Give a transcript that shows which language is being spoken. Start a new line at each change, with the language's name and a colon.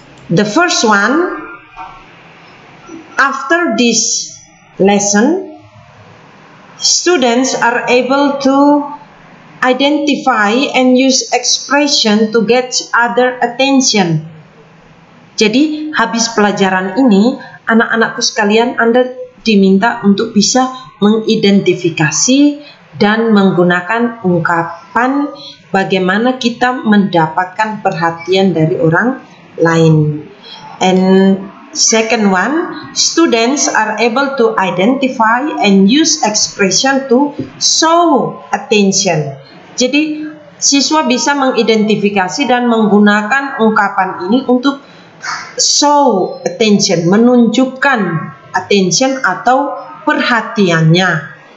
English: The first one, after this lesson, students are able to identify and use expression to get other attention.
Indonesian: Jadi, habis pelajaran ini, anak-anakku sekalian, Anda diminta untuk bisa mengidentifikasi dan menggunakan ungkapan bagaimana kita mendapatkan perhatian dari orang lain.
English: And second one, students are able to identify and use expression to show attention.
Indonesian: Jadi, siswa bisa mengidentifikasi dan menggunakan ungkapan ini untuk
English: show attention,
Indonesian: menunjukkan attention atau perhatiannya.